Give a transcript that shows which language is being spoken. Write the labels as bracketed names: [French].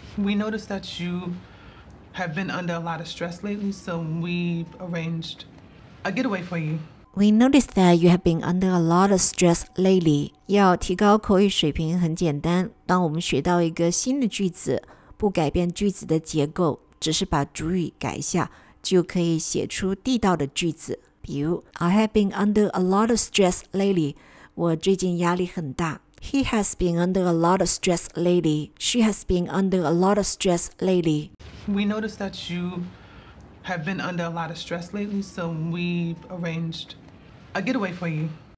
[English] We noticed that you have been under a lot of stress lately, so we arranged a getaway for you. We noticed that you have been under a lot of stress lately. [Chinese] 要提高口语水平很简单。当我们学到一个新的句子，不改变句子的结构，只是把主语改一下，就可以写出地道的句子。比如 [English] I have been under a lot of stress lately. [Chinese] 我最近压力很大。 [English] He has been under a lot of stress lately. She has been under a lot of stress lately. We noticed that you have been under a lot of stress lately, so we arranged a getaway for you.